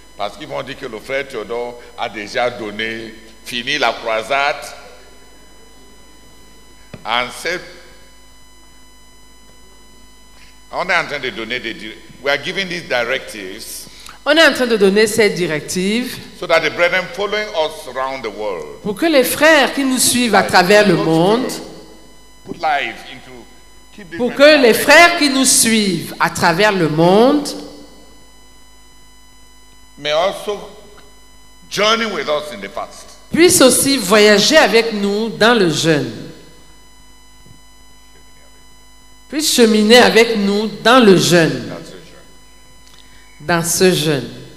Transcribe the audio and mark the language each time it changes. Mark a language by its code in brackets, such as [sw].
[fr] Parce qu'ils vont dire que le frère Théodore a déjà donné, fini la croisade. On est en train de donner des directives. [en] We are giving these directives. [fr] On est en train de donner cette directive. [en] So that the brethren following us around the world. [fr] Pour que les frères qui nous suivent à travers le monde. [en] Put life into. [fr] Pour que les frères qui nous suivent à travers le monde. [en] May also journey with us in the fast. [fr] Puissent aussi voyager avec nous dans le jeûne. Puisse cheminer avec nous dans le jeûne. Dans ce jeûne.